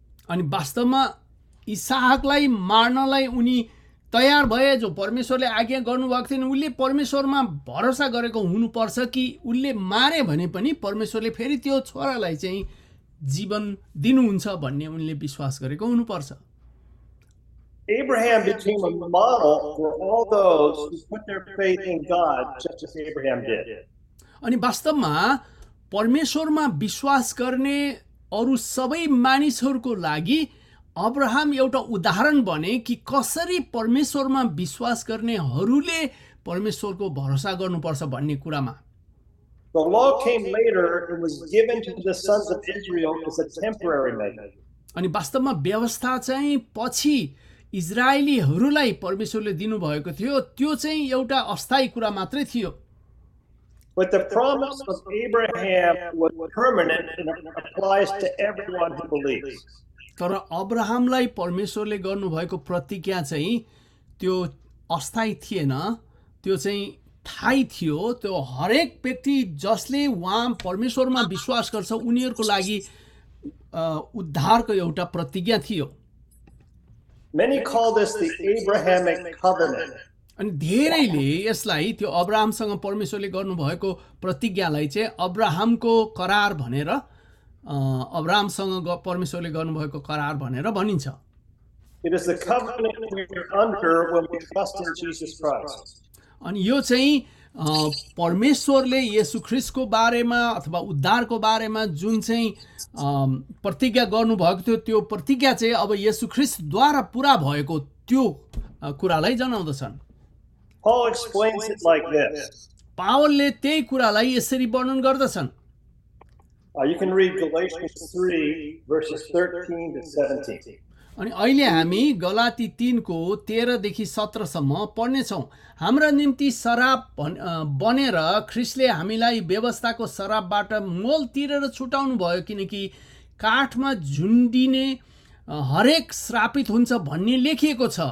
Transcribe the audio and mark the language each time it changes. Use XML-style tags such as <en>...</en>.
<ne>अनि वास्तवमा इसाहकलाई मार्नलाई उनी तयार भए, जो परमेश्वरले आज्ञा गर्नुभएको थिएन। उसले परमेश्वरमा भरोसा गरेको हुनुपर्छ कि उसले मारे भने पनि परमेश्वरले फेरि त्यो छोरालाई चाहिँ जीवन दिनुहुन्छ भन्ने उनले विश्वास गरेको हुनुपर्छ।</ne> <en>Abraham became a model for all those who put their faith in God, just as Abraham did.</en> <ne>अनि वास्तवमा परमेश्वरमा विश्वास गर्ने अरू सबै मानिसहरूको लागि अब्राहम एउटा उदाहरण बने कि कसरी परमेश्वरमा विश्वास गर्नेहरूले परमेश्वरको भरोसा गर्नुपर्छ भन्ने कुरामा।</ne> <en>The law came later and was given to the sons of Israel as a temporary measure.</en> <ne>अनि वास्तवमा व्यवस्था चाहिँ पछि इजरायलीहरूलाई परमेश्वरले दिनुभएको थियो, त्यो चाहिँ एउटा अस्थायी कुरा मात्रै थियो।</ne> <en>But the promise of Abraham was permanent and applies to everyone who believes.</en> <ne>तर अब्राहमलाई परमेश्वरले गर्नुभएको प्रतिज्ञा चाहिँ त्यो अस्थायी थिएन, त्यो चाहिँ थाई थियो। त्यो हरेक व्यक्ति जसले उहाँ परमेश्वरमा विश्वास गर्छ उनीहरूको लागि उद्धारको एउटा प्रतिज्ञा थियो।</ne> <en>Many call this the Abrahamic covenant.</en> <ne>अनि धेरैले यसलाई त्यो अब्राहमसँग परमेश्वरले गर्नुभएको प्रतिज्ञालाई चाहिँ अब्राहमको करार भनेर, अब्राहमसँग परमेश्वरले गर्नुभएको करार भनेर भनिन्छ।</ne> <en>It is the covenant we are under when we trust in Jesus Christ.</en> <ne>अनि यो चाहिँ परमेश्वरले येशु ख्रिस्टको बारेमा अथवा उद्धारको बारेमा जुन चाहिँ प्रतिज्ञा गर्नुभएको थियो, त्यो प्रतिज्ञा चाहिँ अब येशु ख्रिस्टद्वारा पुरा भएको त्यो कुरालाई जनाउँदछन्।</ne> <en>Paul explains it like this.</en> <ne>पावलले त्यही कुरालाई यसरी वर्णन गर्दछन्।</ne> <en>You can read Galatians 3, verses 13 to 17.</en> <ne>अनि अहिले हामी गलाती 3 को 13 देखि 17 सम्म पढ्नेछौँ। हाम्रा निम्ति शराब बनेर ख्रिस्टले हामीलाई व्यवस्थाको शराबबाट मोल तिरेर छुटाउनु भयो, किनकि काठमा झुन्डिने हरेक श्रापित हुन्छ भन्ने लेखिएको छ।</ne>